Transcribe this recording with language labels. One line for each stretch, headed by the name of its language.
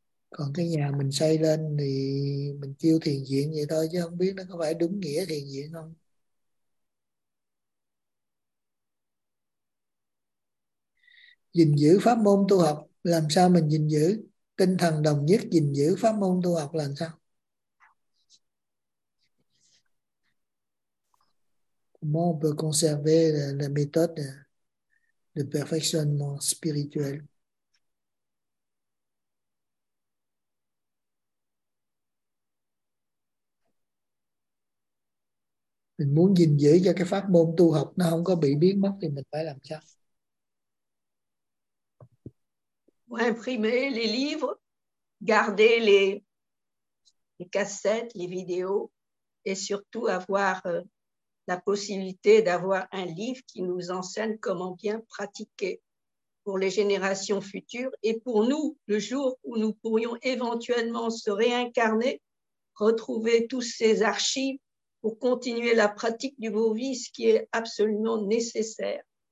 Vietnamese: Còn cái nhà mình xây lên thì mình kêu thiền viện vậy thôi, chứ không biết nó có phải đúng nghĩa thiền viện không. Gìn giữ pháp môn tu học, làm sao mình gìn giữ? Tinh thần đồng nhất gìn giữ pháp môn tu học làm sao?
French: Comment on peut conserver la méthode de perfectionnement spirituel?
Vietnamese: Mình muốn gìn giữ cho cái pháp môn tu học nó không có bị biến mất thì mình phải làm sao?
French: Imprimer les livres, garder les cassettes, les vidéos, et surtout avoir la possibilité d'avoir un livre qui nous enseigne comment bien pratiquer pour les générations futures et pour nous, le jour où nous pourrions éventuellement se réincarner, retrouver tous ces archives pour continuer la pratique du beau vice qui est absolument nécessaire.